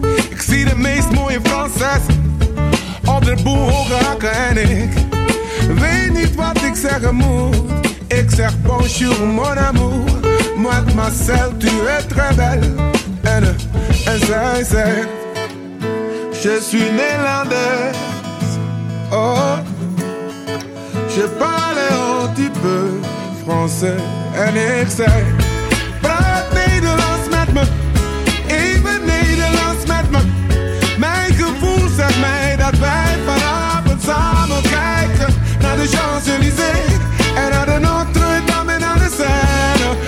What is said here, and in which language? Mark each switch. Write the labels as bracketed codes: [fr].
[nl] Ik zie de meest mooie Franses. Andere boel hoge hakken en ik weet niet wat ik zeggen moet. Ik zeg [fr] bonjour mon amour. Mademoiselle, tu es très belle. [nl] En zij zegt [fr] je suis [nl] Nederlandse. [fr] Oh, je parle un petit peu français. [nl] En ik zei, praat Nederlands met me, even Nederlands met me. Mijn gevoel zegt mij dat wij vanavond samen kijken naar de Champs-Élysées en naar de Notre-Dame en naar de Seine.